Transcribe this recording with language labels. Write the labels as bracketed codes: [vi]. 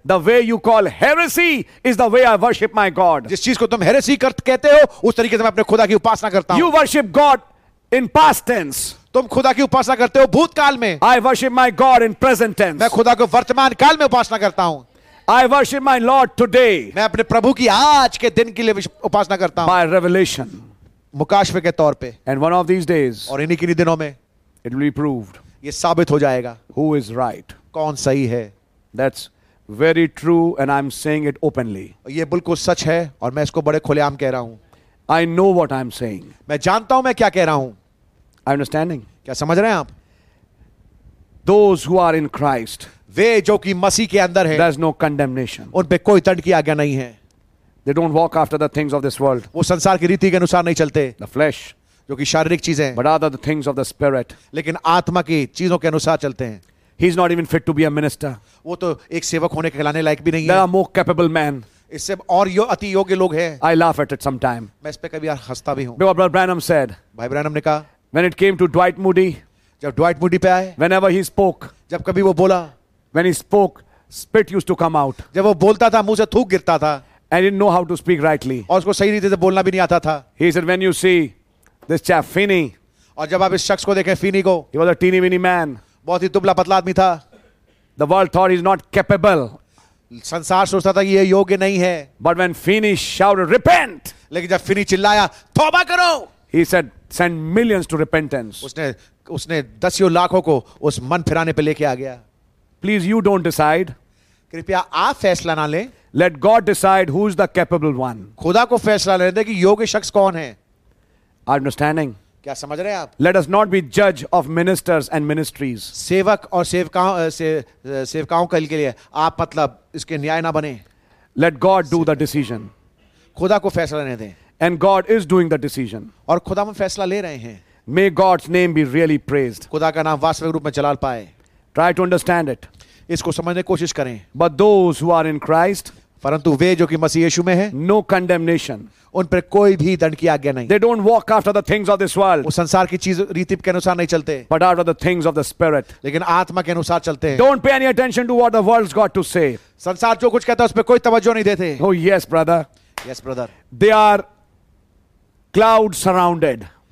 [en] The way you call heresy is the way I worship my God. [hi] जिस चीज को तुम heresy कहते हो उस तरीके से मैं अपने खुदा की उपासना करता हूं. [en] You worship God in past tense. [hi] तुम खुदा की उपासना करते हो भूतकाल में. [en] I worship my God in present tense. [hi] मैं खुदा को वर्तमान काल में उपासना करता हूं. [en] I worship my Lord today. [hi] मैं अपने प्रभु की आज के दिन के लिए उपासना करता हूं. [en] By revelation. [hi] मुकाशवे के तौर पे. [en] And one of these days. [hi] और इन्हीं किन्हीं दिनों में. [en] It will be proved. [hi] ये साबित हो जाएगा. [en] Who is right? [hi] कौन सही है? [en] That's Very true, and I'm saying it openly. [hi] ये बिल्कुल सच है और मैं इसको बड़े खुलेआम कह रहा हूँ. [en] I know what I'm saying. [hi] मैं जानता हूँ मैं क्या कह रहा हूँ. [en] Understanding? [hi] क्या समझ रहे हैं आप? [en] Those who are in Christ. [hi] वे जो कि मसीह के अंदर हैं. [en] There's no condemnation. [hi] उन पे कोई दंड की आज्ञा नहीं है. [en] They don't walk after the things of this world. [hi] वो संसार की रीति के अनुसार नहीं चलते. [en] The flesh. [hi] जो कि शारीरिक चीजें. [en] But other the things of the spirit. [hi] लेकिन आत्मा की चीजों के अनुसार चलते हैं. [en] He's not even fit to be a minister. [hi] वो तो एक सेवक होने के कहलाने लायक भी नहीं है. [en] There are more capable men. [hi] इससे और यो अति योग्य लोग हैं. [en] I laugh at it sometime. [hi] मैं इस पे कभी यार हंसता भी हूँ. [en] Because Brother Branham said. [hi] भाई ब्रैनम ने कहा. [en] When it came to Dwight Moody. [hi] जब Dwight Moody पे आए. [en] Whenever he spoke. [hi] जब कभी वो बोला. [en] When he spoke, spit used to come out. [hi] जब वो बोलता था मुंह से थूक गिरता था. [en] And didn't know how to speak rightly. [hi] और उसको सही रीति से बोलना भी नहीं आता था. [en] He said, when you see this chap Finney. [hi] और जब आप इस शख्स को देखें फिनी को. [en] He was a teeny weeny man. [hi] बहुत ही दुबला पतला आदमी था. [en] The world thought he's not capable. [hi] संसार सोचता था कि ये योग्य नहीं है. [en] But when Finney shouted, repent. [hi] लेकिन जब फिनी चिल्लाया तौबा करो. [en] He said, send millions to repentance. [hi] उसने दसियों लाखों को उस मन फिराने पे लेके आ गया. [en] Please you don't decide. [hi] कृपया आप फैसला ना लें. [en] Let God decide who's the capable one. [hi] खुदा को फैसला लेने दे कि योग्य शख्स कौन है. [en] Understanding? [hi] क्या समझ रहे हैं आप? [en] Let us not be judge of ministers and ministries. [hi] सेवक और सेवकाओं सेवकाओं के लिए आप मतलब इसके न्याय ना बने. [en] Let God do the decision. [hi] खुदा को फैसला लेने दें. [en] And God is doing the decision. [hi] और खुदा में फैसला ले रहे हैं. [en] May God's name be really praised. [hi] खुदा का नाम वास्तविक रूप में जलाल पाए. [en] Try to understand it. [hi] इसको समझने कोशिश करें. [en] But those who are in Christ. [hi] परंतु वे जो कि मसीह यीशु में हैं. [en] No condemnation. [hi] उन पर कोई भी दंड की आज्ञा नहीं. [en] They don't walk after the things of this world. [hi] वो संसार की चीज रीति के अनुसार नहीं चलते. [en] But after the things of the spirit. [hi] लेकिन आत्मा के अनुसार चलते हैं. [en] Don't pay any attention to what the world's got to say. [hi] संसार जो कुछ कहता है उस पर कोई तवज्जो नहीं देते. [en] Oh yes brother. Yes brother. They are cloud surrounded.